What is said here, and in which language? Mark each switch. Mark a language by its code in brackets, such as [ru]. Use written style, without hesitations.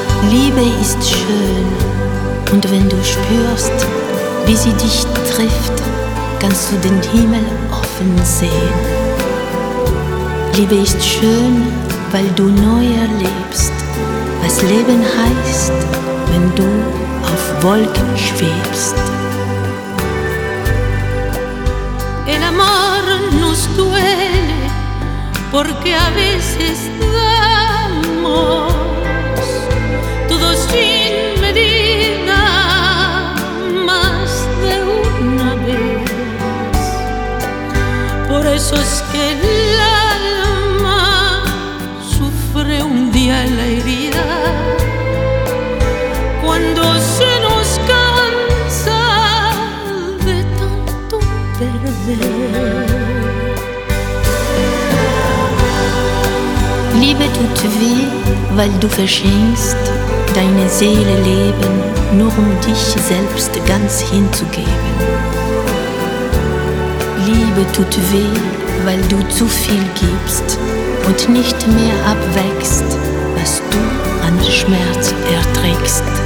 [de] Liebe ist schön, und wenn du spürst, wie sie dich trifft, kannst du den Himmel offen sehen. Liebe ist schön, weil du neu erlebst, was Leben heißt, wenn du auf Wolken schwebst. [es] El amor nos duele porque a veces damos todo sin medida más de una vez. Por eso es que el alma sufre un día la herida cuando se nos cansa de tanto perder. [de] Liebe tut weh, weil du verschenkst deine Seele leben, nur um dich selbst ganz hinzugeben. Liebe tut weh, weil du zu viel gibst und nicht mehr abwägst, was du an Schmerz erträgst.